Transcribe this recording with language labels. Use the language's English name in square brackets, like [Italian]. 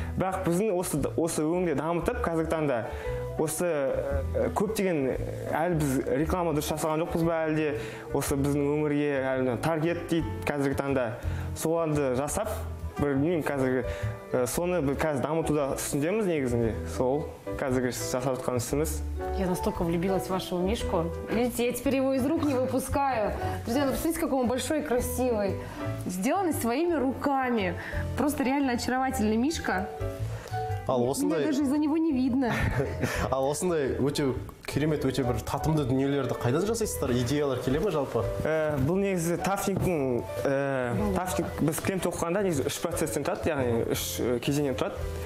[Kazakh] Бірақ біздің осы өңірде дамытып қазіргі таңда осы көптеген әлі біз реклама дұрыс жасаған жоқпыз ба, әлде осы біздің өңірге әлі таргет дейді қазіргі таңда, соларды жасап білмеймін қазіргі соны қазір дамытуда үстіндеміз негізінде. Сол қазіргі жасап жатқан ісіміз. [Russian] Я настолько влюбилась в вашего Мишку. Видите, я теперь его из рук не выпускаю. Друзья, ну посмотрите, какой он большой и красивый. Сделанный своими руками. Просто реально очаровательный Мишка. Мне даже из-за него не видно. [Kazakh] Ал осындай өте керемет, өте бір татымды дүниелерді қайдан жасайсыздар? Идеялар келе ме жалпы? Бұл негізі тафтинг, біз кілем тоқығанда негізі 3 процестен тұрады, яғни 3 кезеңнен тұрады.